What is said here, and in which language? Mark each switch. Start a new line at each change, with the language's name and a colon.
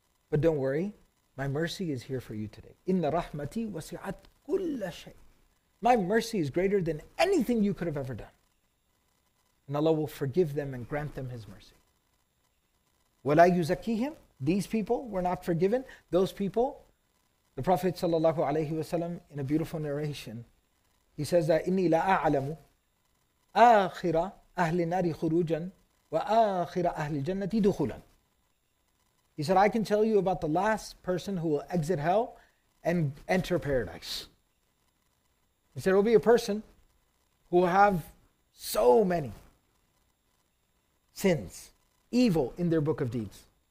English: But don't worry, my mercy is here for you today.
Arabic: إِنَّ رَحْمَتِي وَسِعَتْ كُلَّ شَيْءٍ.
English: My mercy is greater than anything you could have ever done. And Allah will forgive them and grant them His mercy.
Arabic: وَلَا يُزَكِّيهِمْ.
English: These people were not forgiven. Those people, the Prophet ﷺ, in a beautiful narration, he says that
Arabic: إِنِّي لَا أَعْلَمُ آخِرَ أَهْلِ النَّارِ خُرُوجًا وَآخِرَ أَهْلِ الْجَنَّةِ دُخُولًا.
English: He said, I can tell you about the last person who will exit hell and enter paradise. He said, it will be a person who will have so many sins, evil in their book of deeds.